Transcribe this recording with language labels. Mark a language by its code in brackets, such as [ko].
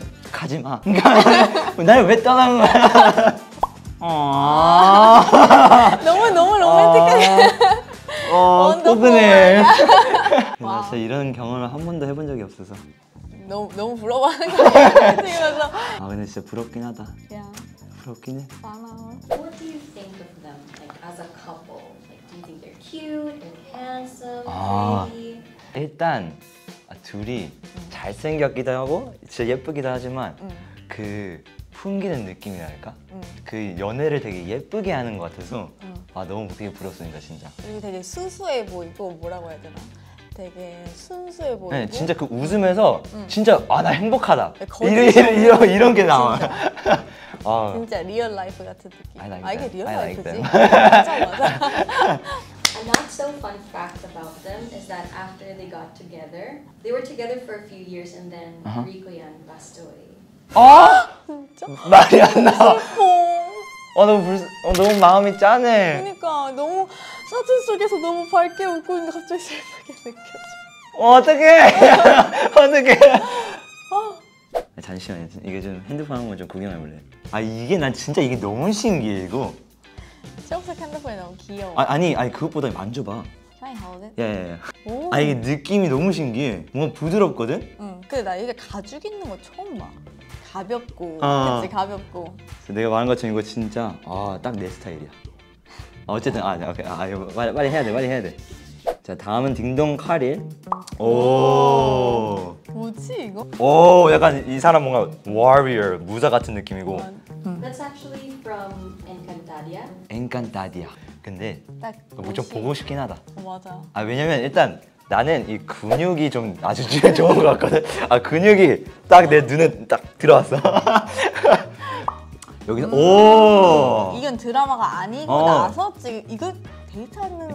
[ko] 나 가지마. 날 왜 떠난 거야? 너무 로맨틱해. 뜨끈해. 나 진짜 이런 경험을 한 번도 해본 적이 없어서. 너무 부러워하는 거 같아. 아, 근데 진짜 부럽긴 하다. 부럽긴 해. [en] What do you think of them like, as a couple? Cute and handsome. [ko] 아, 일단 둘이 잘생겼기도 하고 진짜 예쁘기도 하지만 그 풍기는 느낌이랄까? 그 연애를 되게 예쁘게 하는 것 같아서 아, 너무 되게 부럽습니다, 진짜. 그리고 되게 순수해 보이고 뭐라고 해야 되나? 되게 순수해 보이고 네, 진짜 그 웃으면서 진짜 아, 나 행복하다. 이런 게 나와. 진짜 리얼 라이프 같은 느낌. [en] Like [ko] 아, 이게 리얼 [en] like [ko] 라이프지? 맞아, 맞아. [en] A not so fun fact about them is that after they got together, they were together for a few years and then Rikoyan passed away. [ko] 아? 진짜? 말이 안 나와. 슬퍼. 너무 마음이 짠해. 그러니까 너무 사진 속에서 너무 밝게 웃고 있는데 갑자기 슬프게 느껴져. 어떡해. 어떡해. 잠시만요. 이게 좀 핸드폰 한 번 좀 구경해볼래? 아, 이게 난 진짜 이게 너무 신기해, 이거. 초록색 핸드폰이 너무 귀여워. 아니, 그것보다 만져봐. [en] Try hold it? [ko] 예. 아, 이게 느낌이 너무 신기해. 뭔가 부드럽거든? 응. 근데 나 이게 가죽 있는 거 처음 봐. 가볍고, 그치, 가볍고. 내가 말한 것처럼 이거 진짜 아, 딱 내 스타일이야. 어쨌든, 아, 오케이. 아, 이거 빨리 해야 돼. 자, 다음은 딩동 카릴. 오. 뭐지 이거? 오, 약간 이 사람 뭔가 warrior, 무사 같은 느낌이고. [en] That's actually from Encantadia. [ko] Encantadia. 근데 딱 좀 보고 싶긴 하다. 맞아. 아, 왜냐면 일단 나는 이 근육이 좀 아주 좋은 것 같거든. 아, 근육이 딱 내 눈에 딱 들어왔어. 여기서 오. 이건 드라마가 아니고 나서 지금 이거 데이트하는